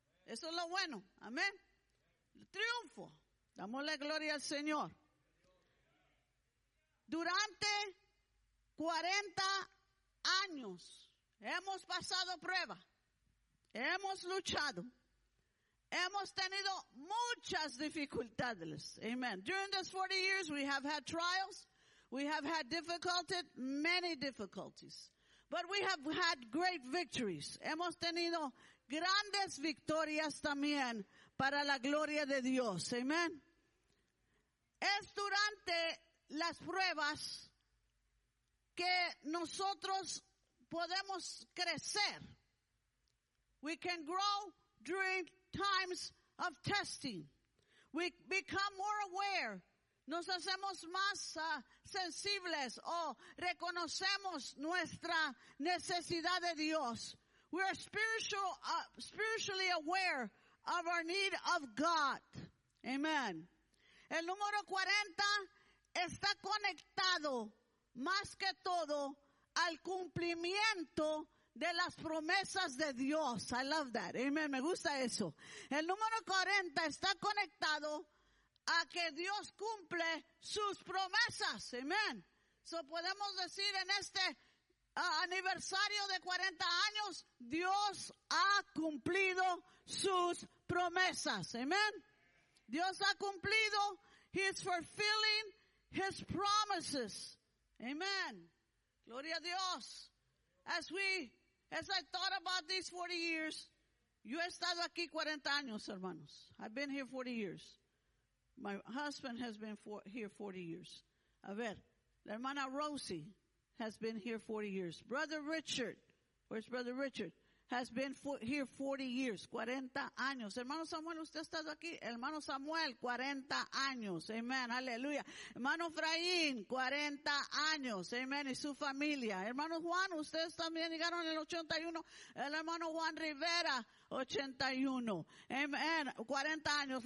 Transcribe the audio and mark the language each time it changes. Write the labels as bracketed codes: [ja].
[es] Eso es lo bueno. Amén. Triunfo. Damos la gloria al Señor. Durante 40 años hemos pasado prueba. Hemos luchado. Hemos tenido muchas dificultades. Amén. [en] During those 40 years, we have had trials. We have had difficulties, many difficulties. But we have had great victories. [es] Hemos tenido grandes victorias también para la gloria de Dios. Amen. Es durante las pruebas que nosotros podemos crecer. [en] We can grow during times of testing. We become more aware [es] nos hacemos más sensibles o reconocemos nuestra necesidad de Dios. [en] We are spiritually aware of our need of God. Amen. [es] El número 40 está conectado más que todo al cumplimiento de las promesas de Dios. [en] I love that. [es] Amen. Me gusta eso. El número 40 está conectado a que Dios cumple sus promesas. Amen. So podemos decir en este aniversario de 40 años, Dios ha cumplido sus promesas. Amen. Dios ha cumplido. [en] He is fulfilling his promises. [es] Amen. Gloria a Dios. [en] As I thought about these 40 years, [es] yo he estado aquí 40 años, hermanos. [en] I've been here 40 years. My husband has been here 40 years. [es] A ver, la hermana [en] Rosie has been here 40 years. Brother Richard, where's Brother Richard? Has been here 40 years. [es] 40 años. Hermano Samuel, usted ha estado aquí. Hermano Samuel, 40 años. Amen. Aleluya. Hermano Efraín, 40 años. Amen. Y su familia. Hermano Juan, ustedes también llegaron en el 81. El hermano Juan Rivera, 81. Amen. 40 años.